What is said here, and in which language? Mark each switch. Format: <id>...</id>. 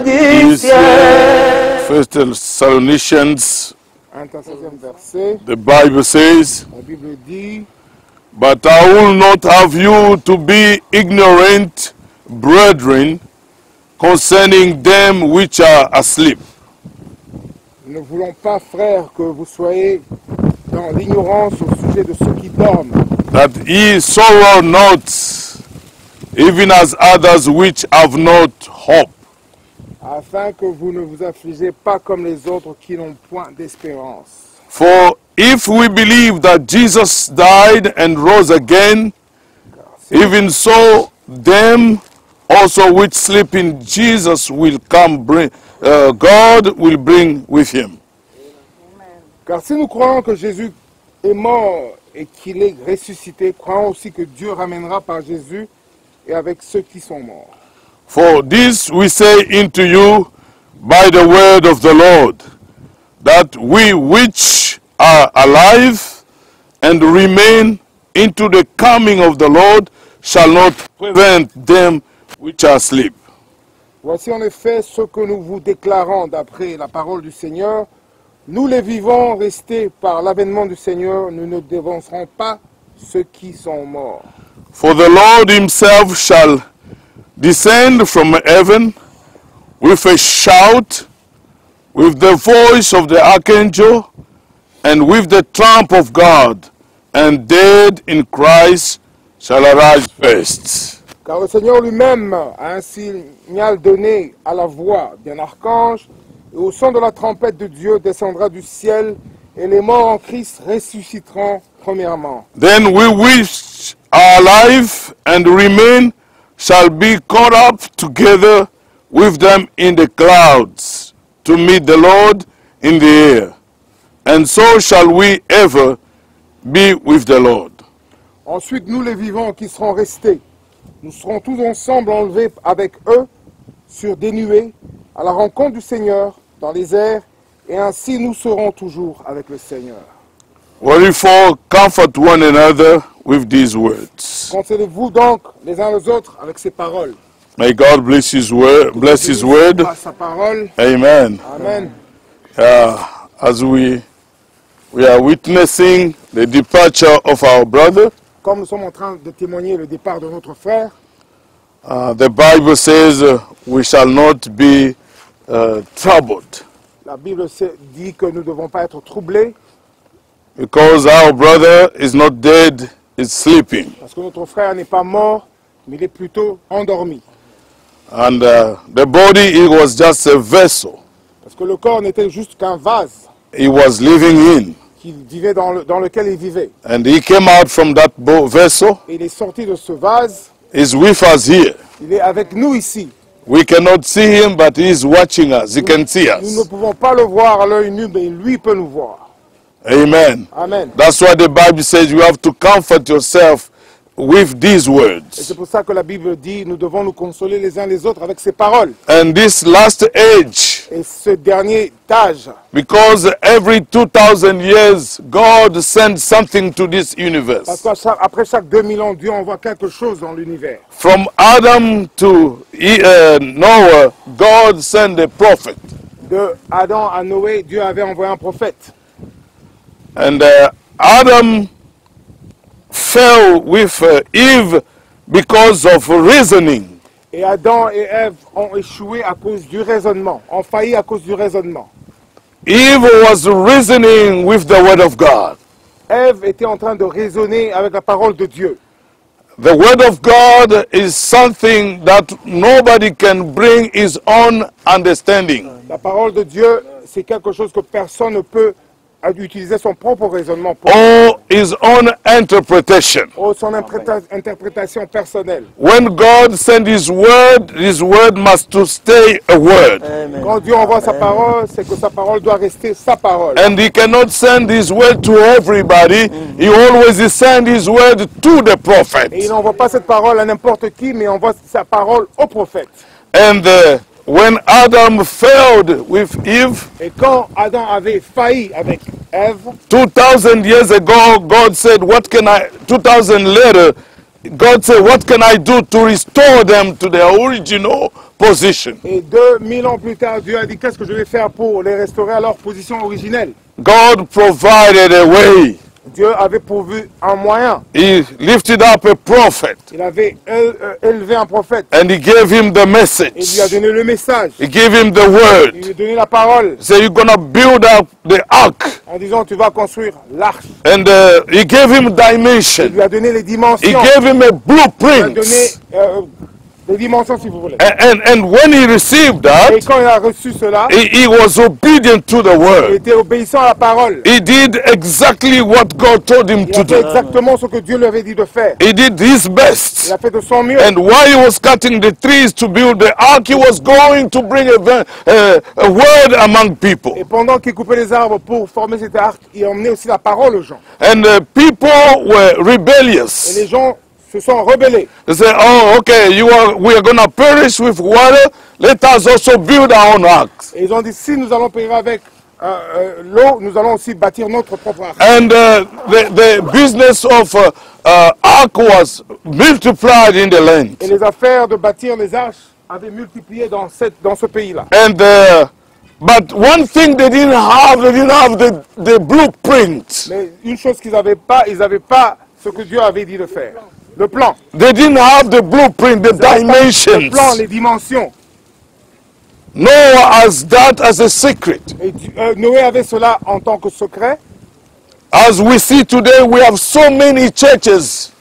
<en>First Thessalonians, the Bible says, but I will not have you to be ignorant, brethren, concerning them which are asleep.</en> <fr>Ne voulons pas, frère, que vous soyez dans l'ignorance au sujet de ceux qui dorment.</fr> <en>That ye sorrow not, even as others which have not hope.</en> <fr>Afin que vous ne vous affligez pas comme les autres qui n'ont point d'espérance.</fr> <en>For if we believe that Jesus died and rose again, even so them also which sleep in Jesus will come bring, God will bring with him.</en> <fr>Car si nous croyons que Jésus est mort et qu'il est ressuscité, croyons aussi que Dieu ramènera par Jésus et avec ceux qui sont morts.</fr> <en>For this we say unto you by the word of the Lord, that we which are alive and remain into the coming of the Lord shall not prevent them which are asleep.</en> <fr>Voici en effet ce que nous vous déclarons d'après la parole du Seigneur. Nous les vivants restés par l'avènement du Seigneur, nous ne dévancerons pas ceux qui sont morts.</fr> <en>For the Lord himself shall descend from heaven with a shout, with the voice of the archangel, and with the trump of God, and dead in Christ shall arise first.</en> <fr>Car le Seigneur lui-même a un signal donné à la voix d'un archange, et au son de la trompette de Dieu descendra du ciel, et les morts en Christ ressusciteront premièrement.</fr> <en>Then we which are alive and remain shall be caught up together with them in the clouds to meet the Lord in the air. And so shall we ever be with the Lord.</en> <fr>Ensuite, nous les vivants qui serons restés, nous serons tous ensemble enlevés avec eux sur des nuées à la rencontre du Seigneur dans les airs, et ainsi nous serons toujours avec le Seigneur.</fr> <en>Wherefore, comfort one another with these words.</en> <fr>Consolez-vous donc les uns aux autres avec ces paroles.</fr> <en>May God bless His word. Bless His word. Amen. Amen. As we are witnessing the departure of our brother.</en> <fr>Comme nous sommes en train de témoigner le départ de notre frère.</fr> <en>The Bible says we shall not be troubled.</en> <fr>La Bible dit que nous ne devons pas être troublés.</fr> <en>Because our brother is not dead, he's sleeping.</en> <fr>Parce que notre frère n'est pas mort, mais il est plutôt endormi.</fr> <en>And the body, it was just a vessel.</en> <fr>Parce que le corps n'était juste qu'un vase.</fr> <en>He was living in.</en> <fr>Qu'il vivait dans le, dans lequel il vivait.</fr> <en>And he came out from that vessel.</en> <fr>Et il est sorti de ce vase.</fr> <en>He's with us here.</en> <fr>Il est avec nous ici.</fr> <en>We cannot see him, but he is watching us. He can see us.</en> <fr>Nous ne pouvons pas le voir à l'œil nu, mais lui peut nous voir.</fr> <en>Amen. Amen. That's why the Bible says you have to comfort yourself with these words.</en> <fr>Et c'est pour ça que la Bible dit nous devons nous consoler les uns les autres avec ces paroles.</fr> <en>And this last age.</en> <fr>Et ce dernier âge.</fr> <en>Because every 2000 years God sends something to this universe.</en> <fr>Parce qu'après chaque 2000 ans Dieu envoie quelque chose dans l'univers.</fr> <en>From Adam to Noah, God sent a prophet.</en> <fr>De Adam à Noé, Dieu avait envoyé un prophète.</fr> <en>And Adam fell with Eve because of reasoning.</en> <fr>Et Adam et Ève ont échoué à cause du raisonnement, ont failli à cause du raisonnement.</fr> <en>Eve was reasoning with the word of God.</en> <fr>Ève était en train de raisonner avec la parole de Dieu.</fr> <en>The word of God is something that nobody can bring his own understanding.</en> <fr>La parole de Dieu, c'est quelque chose que personne ne peut à utiliser son propre raisonnement pour</fr> <en>or his own interpretation.</en> <fr>Or son interprétation personnelle.</fr> <en>When God send his word must to stay a word.</en> <fr>Amen. Quand Dieu envoie sa parole, c'est que sa parole doit rester sa parole.</fr> <en>And he cannot send his word to everybody. Mm-hmm. He always send his word to the prophet.</en> <fr>Et il n'envoie pas cette parole à n'importe qui, mais il envoie sa parole au prophète.</fr> <en>And when Adam failed with Eve,</en> <fr>et quand Adam avait failli avec Eve,</fr> <en>2000 years ago, God said, "What can I?" 2000 later, God said, "What can I do to restore them to their original position?"</en> <fr>Et 2000 ans plus tard, Dieu a dit, "Qu'est-ce que je vais faire pour les restaurer à leur position originelle?"</fr> <en>God provided a way.</en> <fr>Dieu avait pourvu un moyen.</fr> <en>He lifted up a prophet.</en> <fr>Il avait élevé un prophète.</fr> <en>And he gave him the message.</en> <fr>Et il lui a donné le message.</fr> <en>He gave him the word.</en> <fr>Il lui a donné la parole.</fr> <en>So you're gonna build up the ark.</en> <fr>En disant tu vas construire l'arche.</fr> <en>And he gave him dimension.</en> <fr>Il lui a donné les dimensions.</fr> <en>He gave him a blueprint.</en> <fr>Il lui a donné les dimensions, si vous voulez.</fr> <en>And when he received that,</en> <fr>et quand il a reçu cela,</fr> <en>he was obedient to the word.</en> <fr>Il était obéissant à la parole.</fr> <en>He did exactly what God told him to do.</en> <fr>Il a fait exactement ce que Dieu lui avait dit de faire.</fr> <en>He did his best.</en> <fr>Il a fait de son mieux.</fr> <en>And while he was cutting the trees to build the ark, he was going to bring a word among people.</en> <fr>Et pendant qu'il coupait les arbres pour former cet arc, il emmenait aussi la parole aux gens.</fr> <en>And people were rebellious.</en> <fr>Et les gens se sont rebellés.</fr> <en>They say, oh, okay, we are gonna perish with water. Let us also build our own ark.</en> <fr>Ils ont dit, si nous allons périr avec l'eau, nous allons aussi bâtir notre propre ark.</fr> <en>And the business of ark was multiplied in the land.</en> <fr>Et les affaires de bâtir les arches avaient multiplié dans ce pays-là.</fr> <en>And but one thing they didn't have the blueprint.</en> <fr>Mais une chose qu'ils n'avaient pas, ils n'avaient pas ce que Dieu avait dit de faire. Le plan.</fr> <en>They didn't have the blueprint, the dimensions.</en> <fr>Le plan, les dimensions.</fr> <en>Noah has that as a secret.</en> <fr>Noé avait cela en tant que secret.</fr> <en>As we see today, we have so many churches.</en>